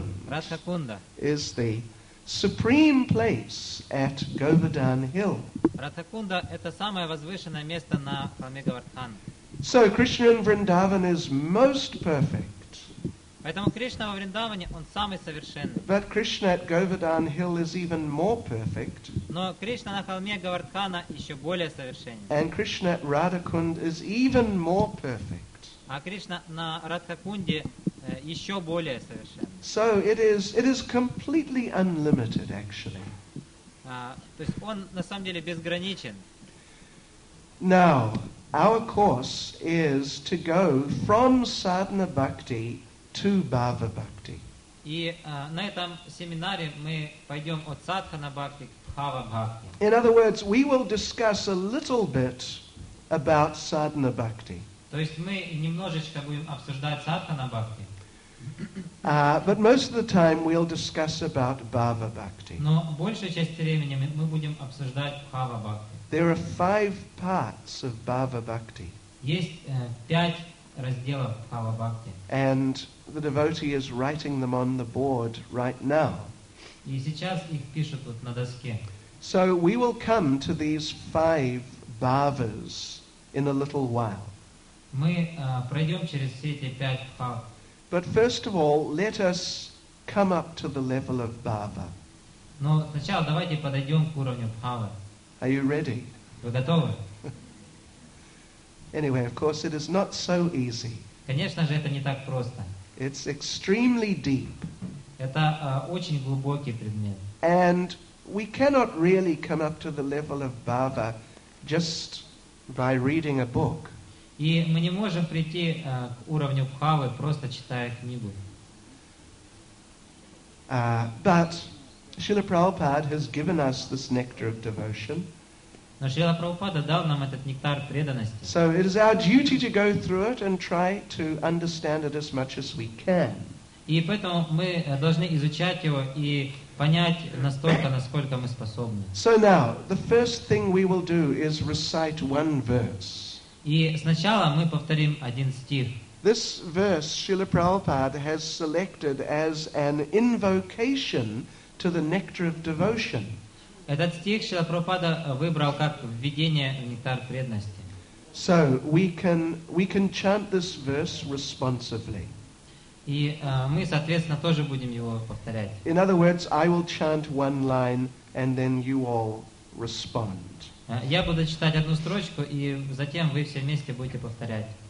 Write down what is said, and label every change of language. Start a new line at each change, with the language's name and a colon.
English: Радха-кунда is the supreme place at Govardhan Hill.
Russian: Радха-кунда это самое возвышенное место на холме Говардхан.
English: So Krishna in Vrindavan is most perfect.
Russian: Поэтому Кришна во Вриндаване он самый совершенный.
English: But Krishna at Govardhan Hill is even more perfect.
Russian: Но Кришна на холме Говардхана еще более совершенен.
English: And Krishna at Radha-kund is even more perfect.
Russian: А Кришна на Радха-кунде еще более совершенный.
English: So it is completely unlimited, actually.
Russian: То есть он на самом деле безграничен.
English: Now, our course is to go from sadhana bhakti to bhava bhakti.
Russian: И на этом семинаре мы пойдем от садхана бхакти к бхава бхакти.
English: In other words, we will discuss a little bit about sadhana bhakti.
Russian: То есть мы немножечко будем обсуждать садхана бхакти.
English: But most of the time we'll discuss about bhava bhakti.
Russian: Но большей частью времени мы будем обсуждать бхава бхакти.
English: There are five parts of bhava bhakti.
Russian: Есть пять разделов бхава бхакти.
English: And the devotee is writing them on the board right now.
Russian: И сейчас их пишут вот на доске.
English: So we will come to these five bhavas in a little while.
Russian: Мы пройдем через все эти пять пав.
English: But first of all, let us come up to the level of Bhava.
Russian: Но сначала давайте подойдем к уровню Бхавы.
English: Are you ready?
Russian: Вы готовы?
English: Anyway, of course, it is not so easy.
Russian: Конечно же, это не так просто.
English: It's extremely deep.
Russian: Это очень глубокий предмет.
English: And we cannot really come up to the level of Bhava just by reading a book.
Russian: И мы не можем прийти к уровню Бхавы, просто читая книгу.
English: But Srila Prabhupada has given us this nectar of devotion.
Russian: Но Шрила Прабхупада дал нам этот нектар преданности.
English: So it is our duty to go through it and try to understand it as much as we can.
Russian: И поэтому мы должны изучать его и понять настолько, насколько мы способны.
English: So now, the first thing we will do is recite one verse.
Russian: И сначала мы повторим один стих.
English: This verse Srila Prabhupada has selected as an invocation to the nectar of devotion.
Russian: Этот стих Шрила Прабхупада выбрал как введение в нектар преданности.
English: So we can chant this verse responsively.
Russian: И мы, соответственно, тоже будем его повторять.
English: In other words, I will chant one line and then you all respond.
Russian: Я буду читать одну строчку, и затем вы все вместе будете повторять.